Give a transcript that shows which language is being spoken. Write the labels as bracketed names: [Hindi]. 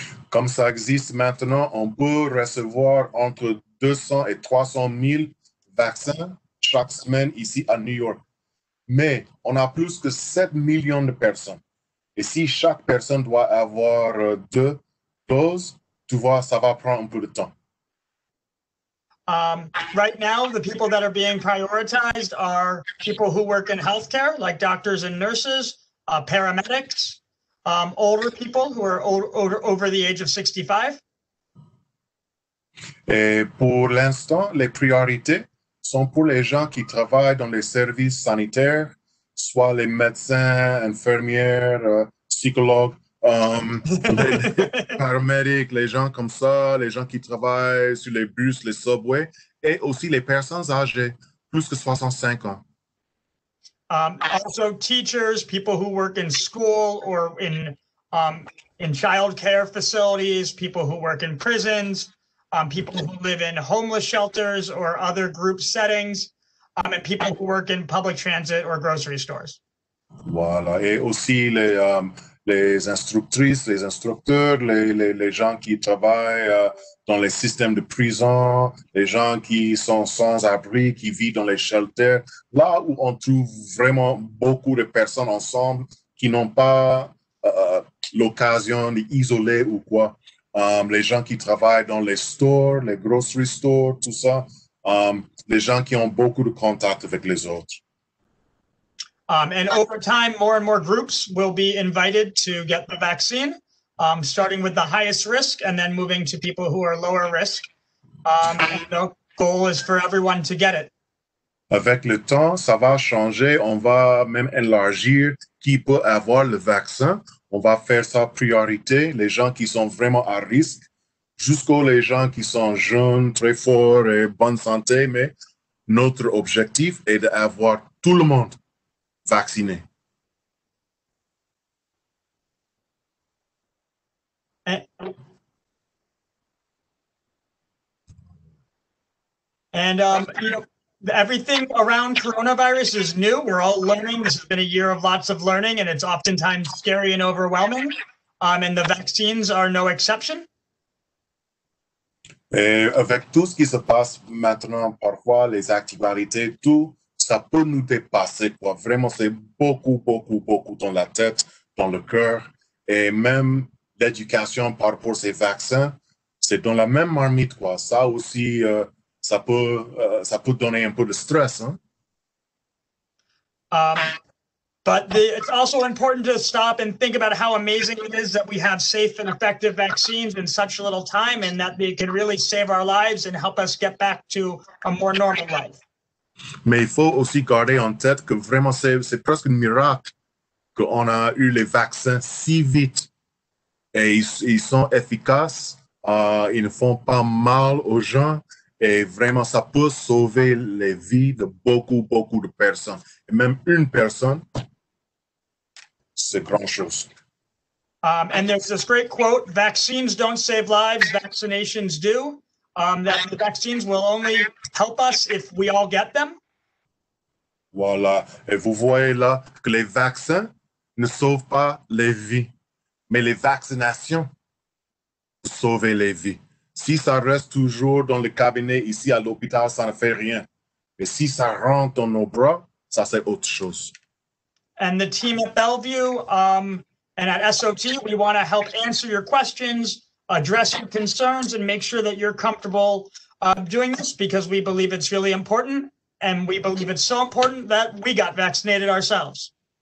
[French] Comme ça existe maintenant, on peut recevoir entre 200 et 300 000 vaccins chaque semaine ici à New York. Mais on a plus que 7 millions de personnes. Et si chaque personne doit avoir deux doses, tu vois, ça va prendre un peu de temps. [English] Right now, the people that are being prioritized are people who work in healthcare, like doctors and nurses, paramedics, older people who are over the age of 65. [French] Et pour l'instant, les priorités sont pour les gens qui travaillent dans les services sanitaires, soit les médecins, infirmières, psychologues, les paramédics, les gens comme ça, les gens qui travaillent sur les bus, les subways, et aussi les personnes âgées, plus que 65 ans. [English] Also teachers, people who work in school or in child care facilities, people who work in prisons, people who live in homeless shelters or other group settings, and people who work in public transit or grocery stores. [French] Voilà, et aussi les instructrices, les instructeurs, les gens qui travaillent dans les systèmes de prison, les gens qui sont sans abri, qui vivent dans les shelters, là où on trouve vraiment beaucoup de personnes ensemble qui n'ont pas l'occasion d'isoler ou quoi. Les gens qui travaillent dans les stores, les [English] grocery stores, [French] tout ça, les gens qui ont beaucoup de contacts avec les autres. [English] And over time, more and more groups will be invited to get the vaccine, starting with the highest risk and then moving to people who are lower risk. The goal is for everyone to get it. [French] Avec le temps, ça va changer. On va même élargir qui peut avoir le vaccin. On va faire ça priorité, les gens qui sont vraiment à risque, jusqu'aux les gens qui sont jeunes, très forts et bonne santé. Mais notre objectif est d'avoir tout le monde. [English] And you know, everything around coronavirus is new. We're all learning. This has been a year of lots of learning, and it's oftentimes scary and overwhelming. And the vaccines are no exception. [French] Et avec tout ce qui se passe maintenant, parfois les activités, tout. Ça peut nous dépasser, quoi. Vraiment, c'est beaucoup, beaucoup, beaucoup dans la tête, dans le cœur. Et même l'éducation par rapport à ces vaccins, c'est dans la même marmite, quoi. Ça aussi, ça peut donner un peu de stress. Hein? [English] It's also important to stop and think about how amazing it is that we have safe and effective vaccines in such a little time, and that they can really save our lives and help us get back to a more normal life. [French] Mais il faut aussi garder en tête que vraiment, c'est presque un miracle qu'on a eu les vaccins si vite. Et ils sont efficaces, ils ne font pas mal aux gens. Et vraiment, ça peut sauver les vies de beaucoup, beaucoup de personnes. Et même une personne, c'est grand chose. [English] And there's this great quote, vaccines don't save lives, vaccinations do. That the vaccines will only help us if we all get them. [French] Voilà. Et vous voyez là que les vaccins ne sauvent pas les vies, mais les vaccinations sauvent les vies. Si ça reste toujours dans le cabinet ici à l'hôpital, ça ne fait rien. Mais si ça rentre dans nos bras, ça c'est autre chose. [English] And the team at Bellevue and at SOT, we want to help answer your questions, address your concerns, and make sure that you're comfortable doing this, because we believe it's really important, and we believe it's so important that we got vaccinated ourselves.